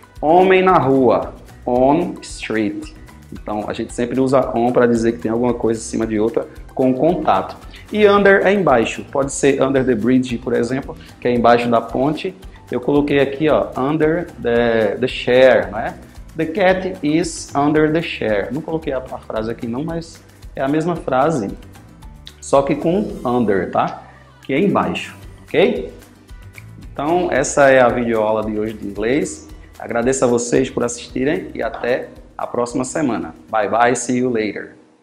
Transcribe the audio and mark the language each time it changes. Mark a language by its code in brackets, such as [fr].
[pt] Homem na rua, [en] on street. [pt] Então, a gente sempre usa on para dizer que tem alguma coisa em cima de outra com contato. E under é embaixo. Pode ser [en] under the bridge, [pt] por exemplo, que é embaixo da ponte. Eu coloquei aqui, ó, [en] under the chair, [pt] né? [en] The cat is under the chair. [pt] Não coloquei a frase aqui não, mas é a mesma frase, só que com under, tá? Que é embaixo, ok? Então, essa é a videoaula de hoje de inglês. Agradeço a vocês por assistirem e até a próxima semana. [en] Bye bye, see you later.